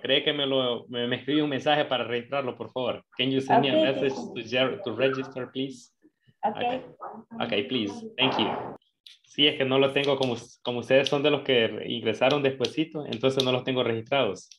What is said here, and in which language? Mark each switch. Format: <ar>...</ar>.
<es>Cree que me escribe un mensaje para registrarlo, por favor.</es> <en>Can you send me a message to register, please? Okay. Okay, please. Thank you.</en> <es>Sí, es que no lo tengo como ustedes son de los que ingresaron despuesito, entonces no los tengo registrados.</es>